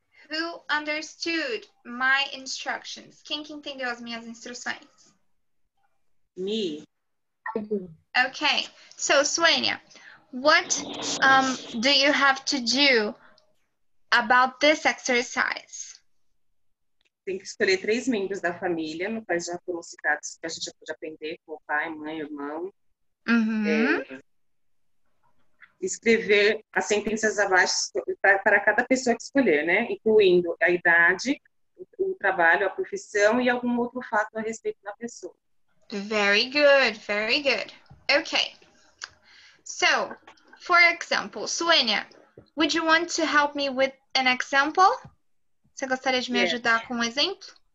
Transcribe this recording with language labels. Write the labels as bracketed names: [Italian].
[English] Who understood my instructions? [Portuguese] Quem que entendeu as minhas instruções? [English] Me. Okay, so Suenia, what do you have to do about this exercise? [Portuguese] Tem que escolher três membros da família, no quais já foram citados, que a gente já pode aprender, com o pai, mãe, irmão. Uhum. escrever as sentenças abaixo para cada pessoa que escolher, né? Incluindo a idade, o trabalho, a profissão e algum outro fato a respeito da pessoa. [English] Very good, very good. Okay. So, for example, Suênia, would you want to help me with an example? [Portuguese] Você gostaria de me ajudar com um exemplo?